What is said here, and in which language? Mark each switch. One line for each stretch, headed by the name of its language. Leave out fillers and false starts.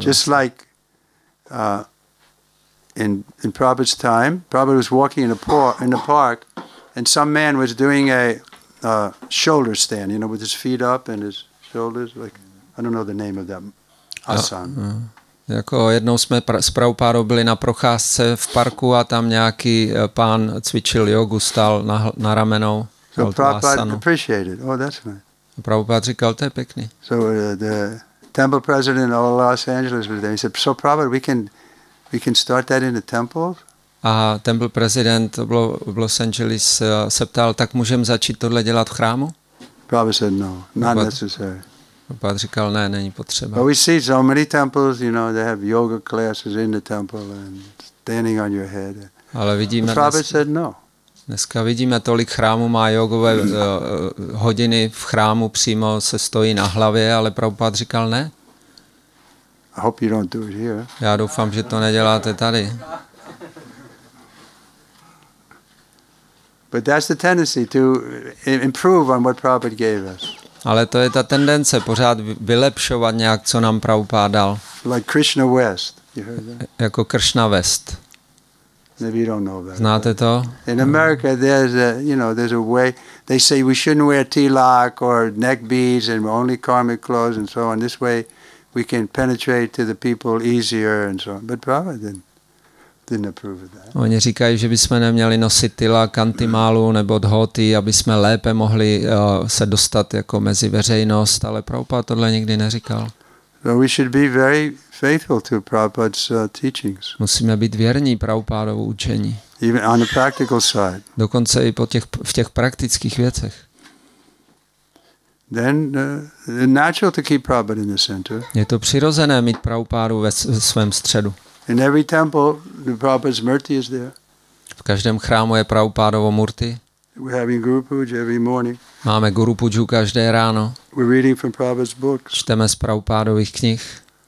English: Just like in Prabhupada's time, Prabhupada was walking in the park and some man was doing a shoulder stand, you know, with his feet up and his shoulders, like, I don't know the name of that, asana.
Czech: Jako jednou jsme s Prabhupádou byli na procházce v parku a tam nějaký pán cvičil jogu, stál na ramenou.
English: So Prabhupada appreciated. Oh, that's nice.
Czech: Prabhupád říkal, to je pěkný.
English: So the temple president of Los Angeles was there. He said, so Prabhupada, we can start that in the temple.
Czech: A temple president v Los Angeles se ptal, tak můžeme začít tohle dělat v chrámu?
English: Prabhupada said, no, not necessary.
Czech: Prabhupád říkal, ne, není potřeba.
English: But we see so many temples, you know, they have yoga classes in the temple and standing on your head.
Czech: Ale vidíme,
English: Prabhupada said no.
Czech: Dneska vidíme, tolik chrámů má jogové hodiny v chrámu, přímo se stojí na hlavě, ale Prabhupád říkal, ne.
English: I hope you don't do it here.
Czech: Já doufám, že to neděláte tady.
English: But that's the tendency to improve on what Prabhupada gave us.
Czech: Ale to je ta tendence pořád vylepšovat nějak, co nám Prabhupáda dal.
English: Like Krishna West, you heard that?
Czech: Jako Krishna West.
English: Maybe you don't know that.
Czech: Znáte to?
English: In America there's a, you know, there's a way they say we shouldn't wear tilak or neck beads and only karmic clothes and so on. This way we can penetrate to the people easier and so on. But Prabhupada didn't approve of that.
Czech: Oni říkají, že bychom neměli nosit tilak, antimálu nebo dhoty, aby jsme lépe mohli se dostat jako mezi veřejnost, ale Prabhupada tohle nikdy neříkal.
English: So we should be very faithful to Prabhupada's teachings.
Czech: Musíme být věrní Prabhupádovu učení.
English: Even on the practical side.
Czech: Dokonce i v těch praktických věcech.
English: Then it's natural to keep Prabhupada in the center.
Czech: Je to přirozené mít Prabhupádu ve svém středu.
English: In every temple, the Prabhupada's murti is there.
Czech: V každém chrámu je Prabhupádovo murti.
English: We have Guru Puja every morning.
Czech: Máme Guru Puju každé ráno.
English: We're reading from Prabhupada's books.
Czech: Čteme z Prabhupádových knih.